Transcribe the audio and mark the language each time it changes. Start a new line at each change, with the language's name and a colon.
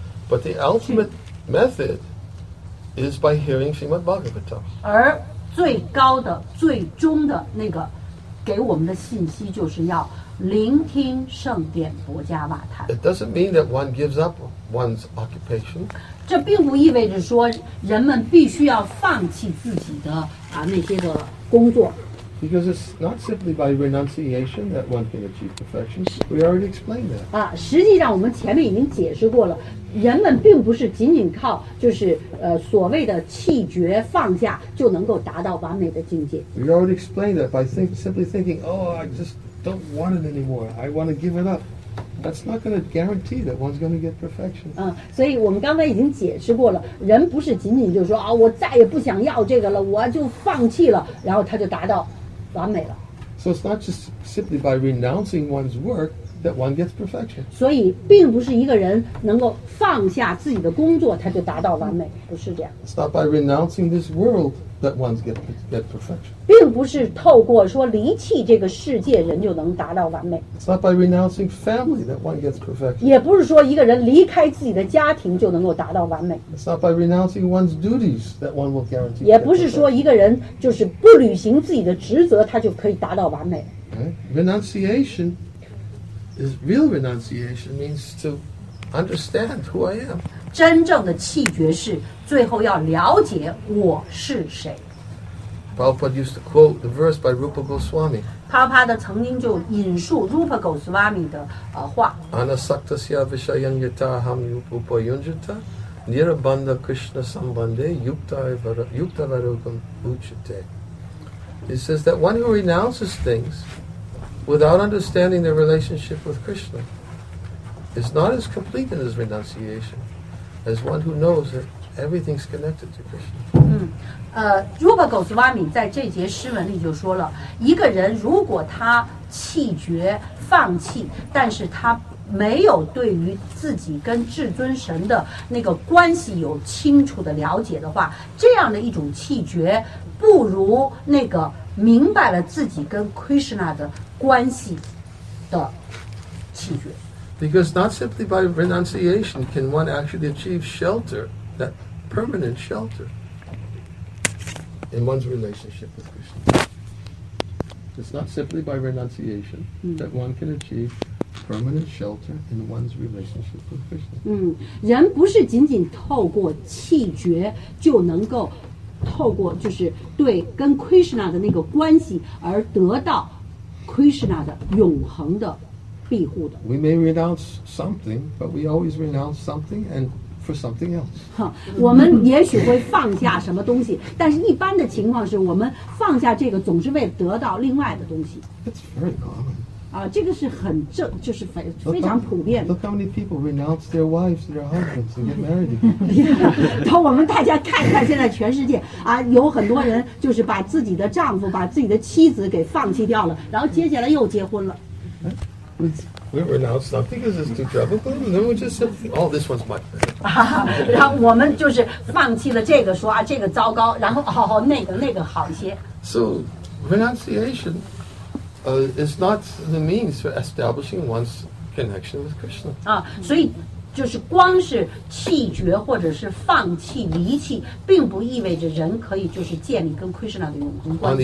English: But the ultimate method is by hearing Srimad Bhagavatam.
Chinese: 而最高的、最终的那个给我们的信息，就是要聆听圣典薄伽瓦坛。
English: It doesn't mean that one gives up one's occupation.
Chinese: 这并不意味着说人们必须要放弃自己的那些个工作。
English: Because it's not simply by renunciation that one can achieve perfection. We already explained that.
Chinese: 实际上我们前面已经解释过了，人们并不是仅仅靠就是所谓的弃绝放下就能够达到完美的境界。
English: We already explained that by simply thinking, "Oh, I just don't want it anymore. I want to give it up." That's not going to guarantee that one's going to get perfection.
Chinese: 所以我们刚才已经解释过了，人不是仅仅就说我再也不想要这个了，我就放弃了，然后他就达到。
English: So So it's not just simply by renouncing one's work that one gets perfection.
Chinese: 所以并不是一个人能够放下自己的工作他就达到完美，不是这样。
English: It's not by renouncing this world that one get perfection.
Chinese: 并不是透过说离弃这个世界人就能达到完美。
English: It's not by renouncing family that one gets perfection.
Chinese: 也不是说一个人离开自己的家庭就能够达到完美。
English: It's not by renouncing one's duties that one will guarantee.
Chinese: 也不是说一个人就是不履行自己的职责他就可以达到完美。
English: Renunciation is real renunciation means to understand who I am.
Chinese: 真正的弃绝是最后要了解我是谁。
English: Prabhupada used to quote the verse by Rupa Goswami.
Chinese: Prabhupada 曾经就引述 Rupa Goswami 的话。
Sanskrit: Anasaktasya vishayan yataham upayunjata nirabandha krishna sambandhe yukta varogam uchate.
English: He says that one who renounces things without understanding their relationship with Krishna is not as complete in his renunciation as one who knows that everything's connected to Krishna.
Chinese: Rupa Goswami 在这节诗文里就说了，一个人如果他弃绝放弃，但是他没有对于自己跟至尊神的那个关系有清楚的了解的话，这样的一种弃绝不如那个明白了自己跟 Krishna 的关系的弃绝。
English: Because not simply by renunciation can one actually achieve shelter, that permanent shelter in one's relationship with Krishna. It's not simply by renunciation that one can achieve permanent shelter in one's relationship with Krishna.
Chinese: 人不是仅仅透过弃绝就能够透过就是对跟 Krishna 的那个关系而得到 Krishna 的永恒的庇护的。
English: We may renounce something, but we always renounce something and for something else.
Chinese: 我们也许会放下什么东西，但是一般的情况是我们放下这个总是为得到另外的东西。
English: It's very common.
Chinese: 这个是很正，就是非常普遍的。
English: Look how many people renounce their wives, their husbands, and get married.
Chinese: 同我们大家看看现在全世界啊，有很多人就是把自己的丈夫、把自己的妻子给放弃掉了，然后接下来又结婚了。
English: We renounce not because it's too troublesome, but then we just say, "Oh, this one's mine."
Chinese: 然后我们就是放弃了这个，说啊，这个糟糕，然后哦，那个好一些。
English: So, renunciation, is not the means for establishing one's connection with Krishna.
Chinese: 所以就是光是弃绝或者是放弃离弃，并不意味着人可以就是建立跟 Krishna 的永恒关系。